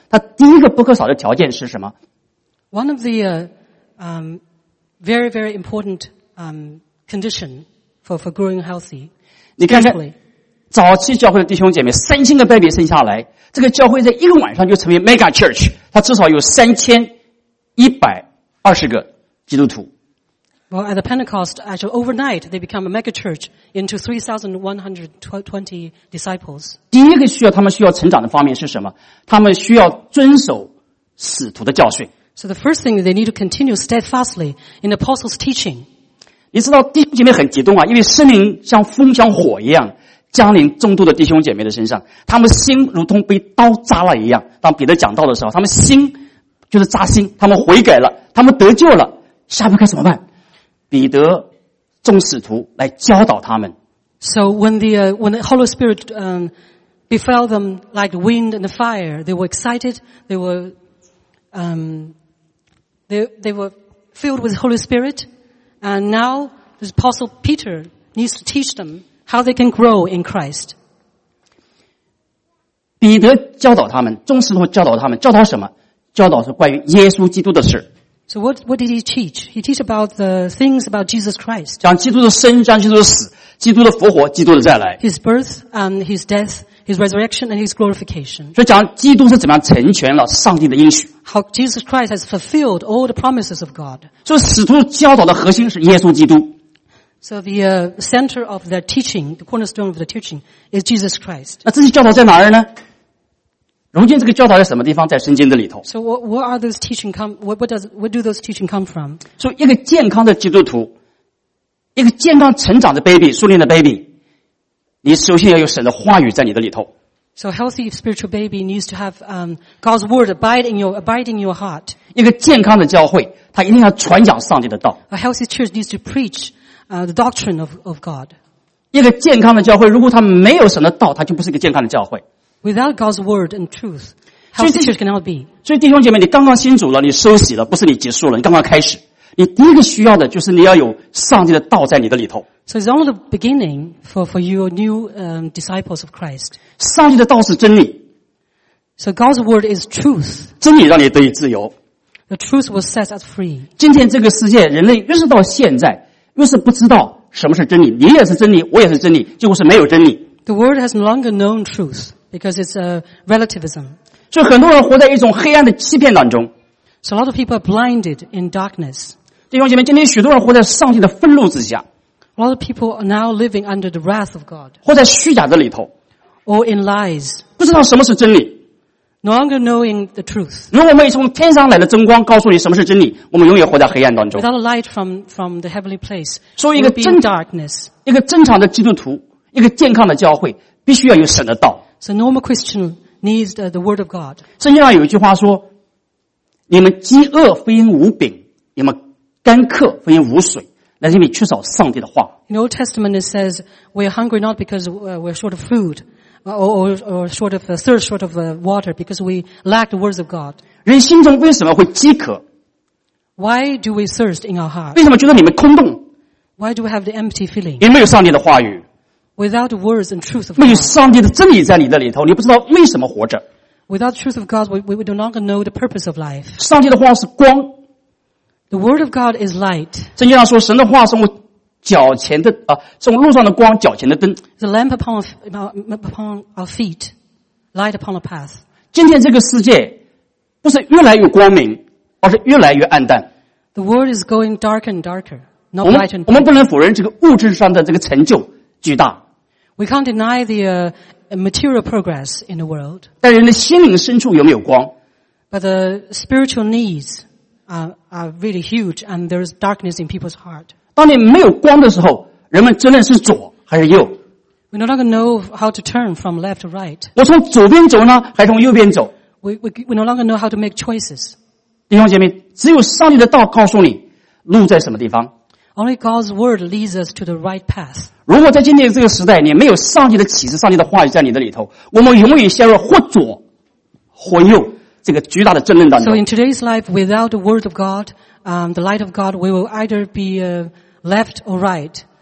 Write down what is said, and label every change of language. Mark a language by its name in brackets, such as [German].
[Chinese] 它第一个不可少的条件是什么 [English] ？One of the very very important condition for growing healthy. [Chinese] 你看看早期教会的弟兄姐妹，3000个 baby 生下来，这个教会在一个晚上就成为 mega church， 它至少有3120个基督徒。 [English] Well, at the Pentecost, actually overnight, they become a mega church into 3120 disciples. [Chinese] 第一个需要他们需要成长的方面是什么？他们需要遵守使徒的教训。 [English] So the first thing they need to continue steadfastly in apostles' teaching. [Chinese] 你知道弟兄姐妹很激动啊，因为圣灵像风像火一样降临众多的弟兄姐妹的身上，他们心如同被刀扎了一样，当彼得讲道的时候，他们心就是扎心，他们悔改了，他们得救了，下面该怎么办？彼得众使徒来教导他们。 [English] So when the Holy Spirit befell them like wind and fire, they were excited, they were filled with Holy SpiritAnd now, the Apostle Peter needs to teach them how they can grow in Christ. [Chinese] 彼得教导他们，众使徒教导他们，教导什么？教导是关于耶稣基督的事。 [English] So what did he teach? He teach about the things about Jesus Christ. [Chinese] 讲基督的生，讲基督的死，基督的复活，基督的再来。 [English] His birth and his death, his resurrection and his glorification. [Chinese] 所以讲基督是怎么样成全了上帝的应许。 [English] How Jesus Christ has fulfilled all the promises of God. [Chinese] 所以使徒教导的核心是耶稣基督。 [English] So the center of their teaching, the cornerstone of the teaching, is Jesus Christ. [Chinese] 那这些教导在哪儿呢？如今这个教导在什么地方？在圣经的里头。 [English] So what are those teaching come? What do those teaching come from? [Chinese] 所以一个健康的基督徒，一个健康成长的 baby， 属灵的 baby， 你首先要有神的话语在你的里头。 [English] So a healthy spiritual baby needs to have God's word abide in your heart. [Chinese] 一个健康的教会，他一定要传讲上帝的道。 [English] A healthy church needs to preach the doctrine of God. [Chinese] 一个健康的教会，如果他没有神的道，他就不是一个健康的教会。 [English] Without God's word and truth, How the church cannot be. [Chinese] 所以弟兄姐妹，你刚刚信主了，你受洗了，不是你结束了，你刚刚开始。你第一个需要的就是你要有上帝的道在你的里头。 [English] So it's only the beginning for your new disciples of Christ. [Chinese] 上帝的道是真理。 [English] So God's word is truth. [Chinese] 真理让你得以自由。 [English] The truth will set us free. [Chinese] 今天这个世界，人类越是到现在，越是不知道什么是真理。你也是真理，我也是真理，结果是没有真理。 [English] The world has no longer known truth because it's a relativism. [Chinese] 所以很多人活在一种黑暗的欺骗当中。 [English] So a lot of people are blinded in darkness. [Chinese] 弟兄姐妹，今天许多人活在上帝的愤怒之下。 [English] A lot of people are now living under the wrath of God. [Chinese] 活在虚假的里头。 [English] Or in lies. [Chinese] 不知道什么是真理。 [English] No longer knowing the truth. [Chinese] 如果我们从天上来的真光告诉你什么是真理，我们永远活在黑暗当中。 [English] Without a light from the heavenly place. [Chinese] 所以一个真 [English] darkness. [Chinese] 一个正常的基督徒，一个健康的教会，必须要有神的道。 [English] So normal Christian needs the word of God. [Chinese] 圣经上有一句话说，你们饥饿非因无饼，你们干渴非因无水。那是因为缺少上帝的话。 [English] In the Old Testament it says, we're hungry not because we're short of food, or short of, thirst short of water, because we lack the words of God. [Chinese] 人心中为什么会饥渴? [English] Why do we thirst in our heart? [Chinese] 为什么觉得里面空洞? [English] Why do we have the empty feeling? [Chinese] 因为没有上帝的话语。 [English] Without the words and truth of God. [Chinese] 没有上帝的真理在你的里头，你不知道为什么活着。 [English] Without the truth of God, we do not know the purpose of life. [Chinese] 上帝的话是光。 [English] The word of God is light. [Chinese] 圣经上说，神的话是我脚前的啊，是我路上的光，脚前的灯。 [English] The lamp upon our feet, light upon the path. [Chinese] 今天这个世界不是越来越光明，而是越来越暗淡。 [English] The world is going darker and darker, not light and dark. [Chinese] 我们不能否认这个物质上的这个成就巨大。 [English] We can't deny the material progress in the world. [Chinese] 但人的心灵深处有没有光 [English] ？But the spiritual needs. Are really huge, and there is darkness in people's heart. [Chinese] 当你没有光的时候，人们真的是左还是右 [English] ？We no longer know how to turn from left to right. [Chinese] 我从左边走呢，还是从右边走 [English] ？We no longer know how to make choices. [Chinese] 弟兄姐妹，只有上帝的道告诉你路在什么地方。 [English] Only God's word leads us to the right path. [Chinese] 如果在今天这个时代，你没有上帝的启示、上帝的话语在你的里头，我们永远陷入或左或右。这个巨大的争论当中。 [English] So in today's life, without the word of God, the light of God, we will either be left or right.